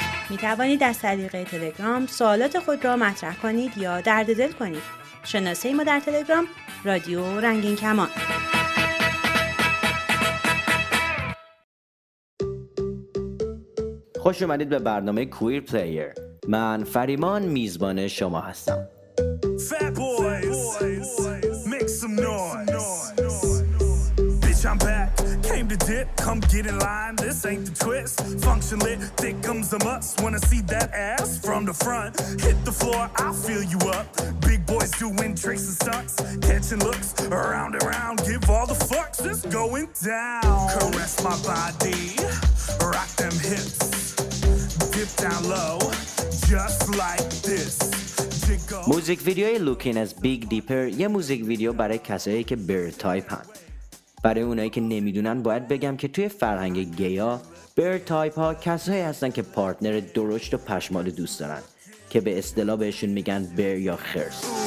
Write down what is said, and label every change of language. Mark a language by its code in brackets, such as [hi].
[fa] میتوانید از طریق تلگرام سوالات خود را مطرح کنید یا درد دل کنید. شناسه ما در تلگرام رادیو رنگین کمان. خوش اومدید به برنامه کویر پلیئر. من فریمان میزبان شما هستم. [en] Fat boys. Make some noise. Bitch I'm back. Came to the dip, come get in line, this ain't the twist. Function lit, thick comes a must, wanna see that ass from the front. Hit the floor, I'll fill you up. Big boys doing tricks and stunts, catching looks around and round. Give all the fucks, it's going down. Caress my body, rock them hips. Dip down low, just like this. [fa] موزیک ویدیوی Looking as Big Deeper یه موزیک ویدیو برای کسایی که بیر تایپ هن. برای اونایی که نمیدونن باید بگم که توی فرهنگ گیا بیر تایپ ها کسایی هستن که پارتنر درشت و پشمال دوست دارن که به اصطلاح بهشون میگن بیر یا خرس.